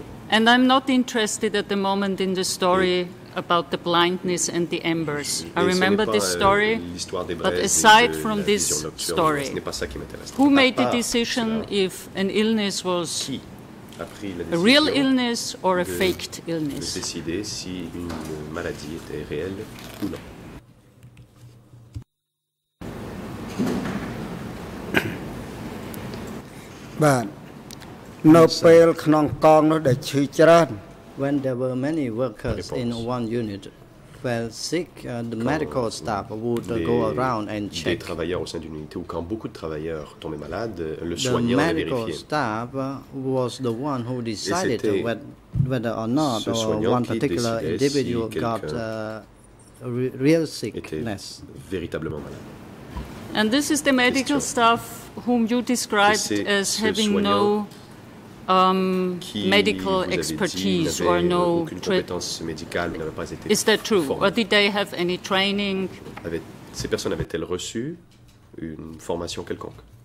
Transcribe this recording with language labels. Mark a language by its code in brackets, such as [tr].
[en] And I'm not interested at the moment in the story about the blindness and the embers. I remember this story, but aside from this story, who made the decision if an illness was a real illness or a faked illness? [fr] Décider si une maladie était réelle ou non. But no pale knong kong no de chui chran. [en] When there were many workers in one unit fell sick, the medical staff would go around and check. [fr] Des travailleurs au sein d'une unité ou quand beaucoup de travailleurs tombaient malades, le soignant les vérifiait. [en] The medical staff was the one who decided whether or not or one particular individual got real sickness. [fr] Était véritablement malade. [en] And this is the medical staff whom you described as having no medical expertise or no [fr] compétence médicale, n'avait pas été. [en] Is that true? Or did they have any training? [fr] Ces personnes avaient-elles reçu une formation quelconque?